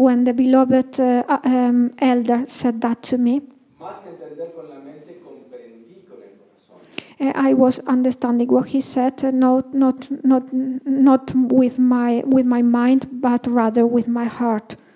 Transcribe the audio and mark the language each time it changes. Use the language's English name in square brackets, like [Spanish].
[English] when the beloved elder said that to me, [Spanish] más que entender con la mente, comprendí con el corazón. [English] I was understanding what he said, not with my mind, but rather with my heart.